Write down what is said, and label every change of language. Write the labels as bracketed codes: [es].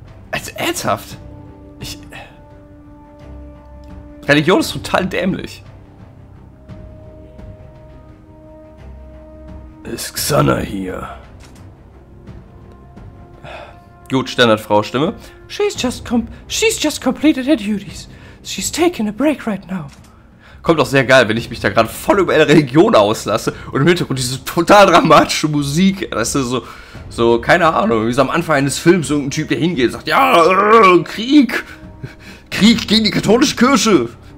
[de] Also ernsthaft? Religion ist total dämlich. Ist Xana hier? Gut, Standardfrau-Stimme. [en] She's just completed her duties. She's taking a break right now. [de] Kommt auch sehr geil, wenn ich mich da gerade voll über eine Religion auslasse und im Hintergrund diese total dramatische Musik, weißt du, so, keine Ahnung, wie so am Anfang eines Films irgendein Typ, der hingeht und sagt, ja, Krieg! Krieg gegen die katholische Kirche!